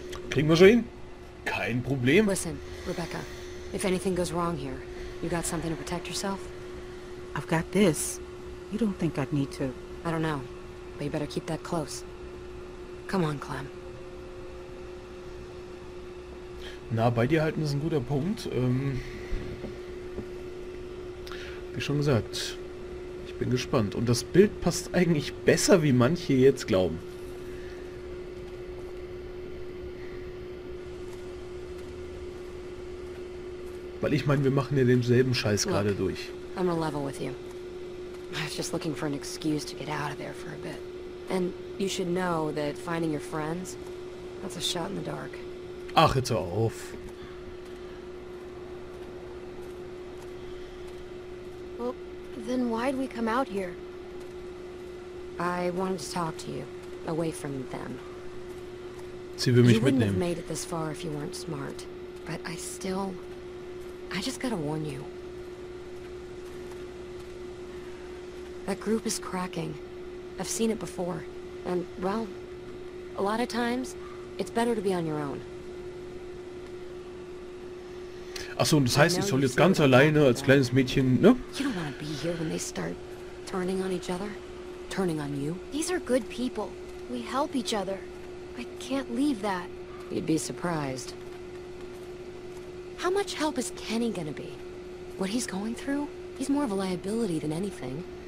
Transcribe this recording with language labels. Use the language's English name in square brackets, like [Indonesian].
[German] Kriegen wir schon hin? Kein Problem. [English] Listen, Rebecca, if anything goes wrong here, you got something to protect yourself? I've got this. You don't think I'd need to... I don't know, but you better keep that close. Come on, Clem. [German] Na, bei dir halten ist ein guter Punkt. Wie schon gesagt, ich bin gespannt. Und das Bild passt eigentlich besser, wie manche jetzt glauben. Weil ich meine, wir machen ja denselben Scheiß gerade durch. [English] I'm on a level with you. I was just looking for an excuse to get out of there for a bit. And you should know that finding your friends, that's a shot in the dark. [German] Ach, jetzt hör auf. [English] Then why'd we come out here? I wanted to talk to you, away from them. [German] Sie will mich [English] You wouldn't have made it this far if you weren't smart. But I still... I just gotta warn you. That group is cracking. I've seen it before. And, well, a lot of times, it's better to be on your own. [German] Achso, und das heißt, ich soll jetzt ganz alleine als kleines Mädchen, ne? [English] You don't want to be here when they start turning on each other, turning on you. These are good people. We help each other. I can't leave that. You'd be surprised. How much help is Kenny gonna be? What he's going through? He's more of a liability than anything.